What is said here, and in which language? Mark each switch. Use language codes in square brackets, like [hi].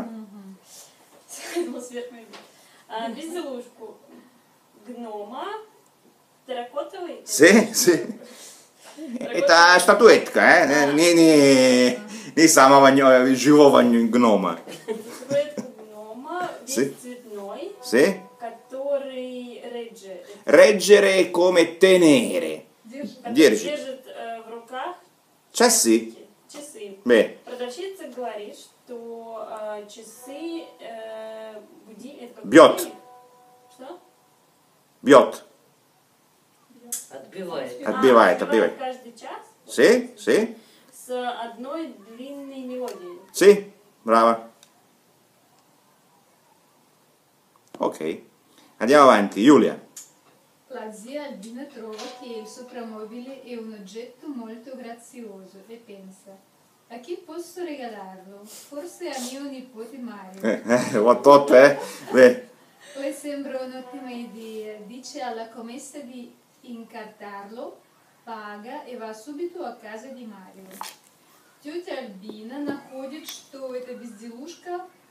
[ru] Угу. Сверхмебель. А, безделушку. Гнома. Терракотовый. [it] Си, си. [ru] Это статуэтка, не самого живого гнома. Статуэтку гнома, бесцветной. [it] Си. [ru] Который реджет. [it] Реджере come tenere. [ru] Держит в руках часы. Часы. Бе. Продавщица говорит, что часы будильник. Бьет. Что? Бьет. Отбивает. Отбивает. Каждый час. [it] Си, си. [ru] С одной длинной мелодией. [it] Си, браво. Окей. Andiamo avanti, Юлия. La zia Albina trova che il soprammobile è un oggetto molto grazioso e pensa, a chi posso regalarlo? Forse a mio nipote Mario. Le sembra un'ottima idea, dice alla commessa di incartarlo, paga e va subito a casa di Mario. [ru] Тетя Альбина находит, что эта безделушка...